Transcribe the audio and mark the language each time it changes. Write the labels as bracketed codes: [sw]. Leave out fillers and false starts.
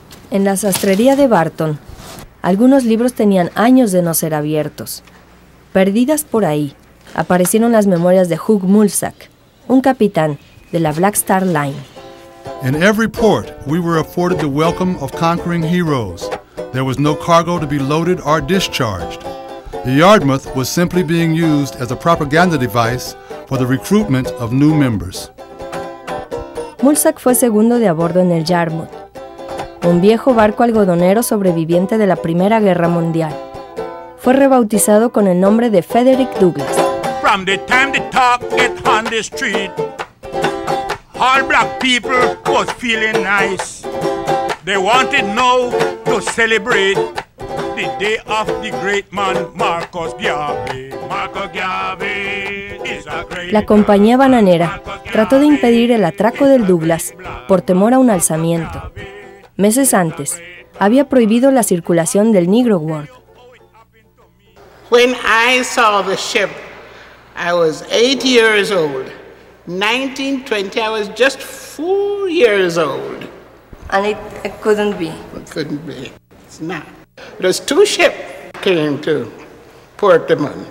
[es] En la sastrería de Barton, algunos libros tenían años de no ser abiertos. Perdidas por ahí, aparecieron las memorias de Hugh Mulsack, un capitán de la Black Star Line. [en] In every port, we were afforded the welcome of conquering heroes. There was no cargo to be loaded or discharged. The Yarmouth was simply being used as a propaganda device for the recruitment of new members. [es] Mulsack fue segundo de a bordo en el Yarmouth, un viejo barco algodonero sobreviviente de la Primera Guerra Mundial. Fue rebautizado con el nombre de Frederick Douglass. [en] From the time the talk get on the street, all black people was feeling nice. They wanted now to celebrate the day of the great man Marcus Garvey. Marcus Garvey is a great man. [es] La compañía bananera trató de impedir el atraco del Douglass por temor a un alzamiento. Meses antes, había prohibido la circulación del Negro World. [en] When I saw the ship, I was 8 years old. 1920, I was just 4 years old. And it couldn't be. It couldn't be. It's not. There's two ships came to Port Limón.